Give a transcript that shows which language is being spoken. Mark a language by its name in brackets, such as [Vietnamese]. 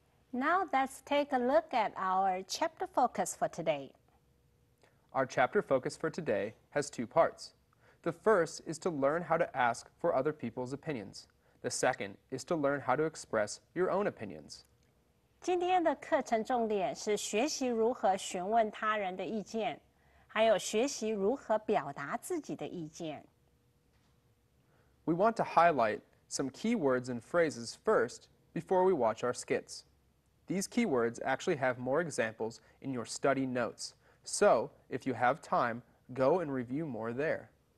[English] Now let's take a look at our chapter focus for today. Our chapter focus for today has two parts. The first is to learn how to ask for other people's opinions. The second is to learn how to express your own opinions. [Chinese] 今天的课程重点是学习如何询问他人的意见，还有学习如何表达自己的意见。 [English] We want to highlight some key words and phrases first before we watch our skits. These key words actually have more examples in your study notes, so if you have time, go and review more there.